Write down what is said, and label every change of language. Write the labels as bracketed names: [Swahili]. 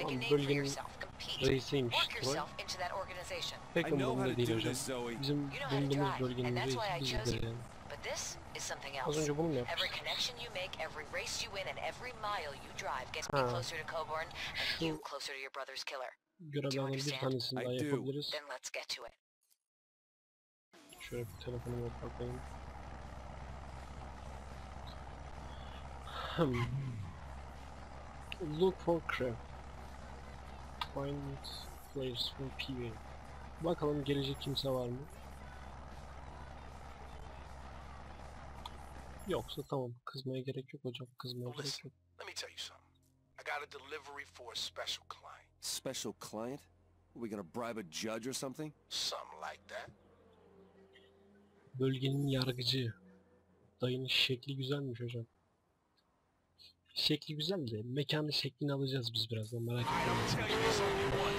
[Turkish] Ama bölgenin reisiymiş Troy. Pek umurumda değil hocam. Bizim bulunduğumuz bölgenin reisi biz izleyelim. [English] This is something else. Every connection you make, every race you win, and every mile you drive gets me closer to Coburn and you closer to your brother's killer. Do you understand? Then let's get to it. [Turkish] Şöyle bir telefonumu kapatayım. [English] Look for crap. Find players from PV. [Turkish] Bakalım gelecek kimse var mı? Yoksa tamam, kızmaya gerek yok hocam, kızmaya gerek yok. [English] Let me tell you something. I got a delivery for a special client. Special client? Are we gonna bribe a judge or something? Something like that. [Turkish] Bölgenin yargıcı. Dayının şekli güzelmiş hocam. Şekli güzel de mekanın şeklini alacağız biz birazdan, merak etme.